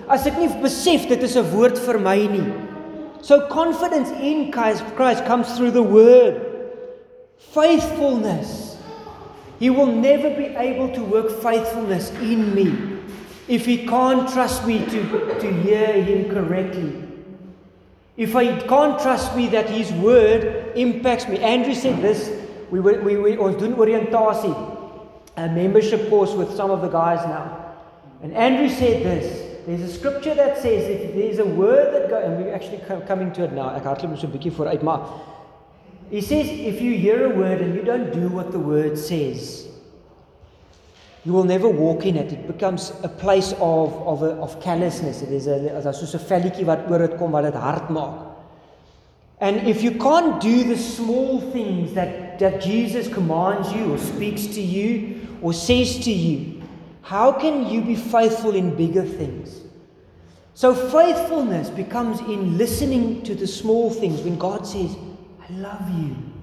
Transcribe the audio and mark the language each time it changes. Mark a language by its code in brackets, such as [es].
[af] As ek nie besef dit is 'n woord vir my nie. [en] So confidence in Christ comes through the Word. Faithfulness. He will never be able to work faithfulness in me if He can't trust me to hear Him correctly. If I can't trust me that His Word impacts me. Andrew said this, we was doing orientasie, a membership course with some of the guys now. And Andrew said this, there's a scripture that says, if there's a word that goes, and we're actually coming to it now, [af] ek hartloop so 'n bietjie vooruit, maar, [en] he says, if you hear a word and you don't do what the word says, you will never walk in it. It becomes a place of callousness. It is a [af] soos 'n velletjie wat oor dit kom wat dit hard maak. [en] And if you can't do the small things that Jesus commands you or speaks to you or says to you, how can you be faithful in bigger things? So faithfulness becomes in listening to the small things when God says, I love you.